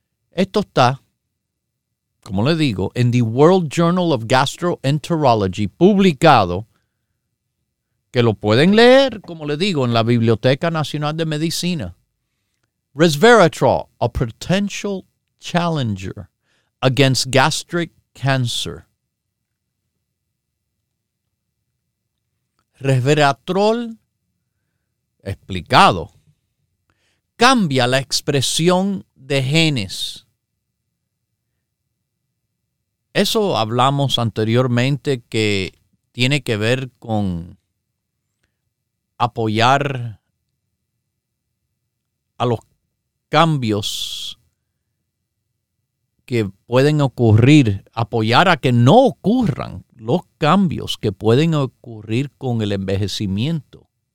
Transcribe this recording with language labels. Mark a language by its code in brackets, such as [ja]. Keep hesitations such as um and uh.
[es] Esto está como le digo, en The World Journal of Gastroenterology, publicado, que lo pueden leer, como le digo, en la Biblioteca Nacional de Medicina. [en] Resveratrol, a potential challenger against gastric cancer. [es] Resveratrol, explicado, cambia la expresión de genes. Eso hablamos anteriormente que tiene que ver con apoyar a los cambios que pueden ocurrir, apoyar a que no ocurran los cambios que pueden ocurrir con el envejecimiento.